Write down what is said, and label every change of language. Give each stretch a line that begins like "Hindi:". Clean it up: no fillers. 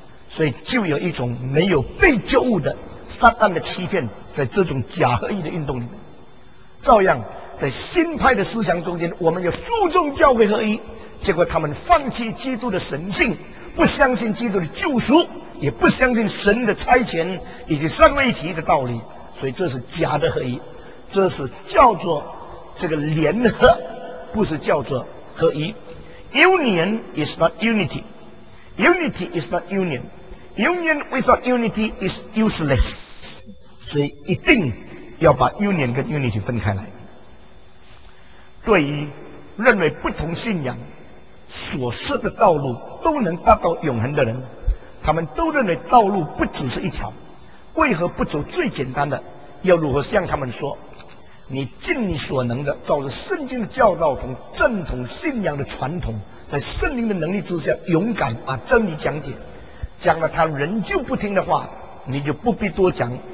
Chinese: 所以就有一种没有被救物的撒旦的欺骗，在这种假合一的运动里面，照样在新派的思想中间，我们要注重教会合一，结果他们放弃基督的神性，不相信基督的救赎，也不相信神的差遣以及三位一体的道理，所以这是假的合一，这是叫做这个联合，不是叫做合一。
English: Union is not unity, unity is not union, union without unity is useless。
Chinese: 所以一定要把 union 跟 unity 分开来。对于认为不同信仰所设的道路都能达到永恒的人，他们都认为道路不只是一条，为何不走最简单的？要如何向他们说，你尽你所能的照着圣经的教导同正统信仰的传统，在圣灵的能力之下勇敢把真理讲解，讲了他仍旧不听的话，你就不必多讲，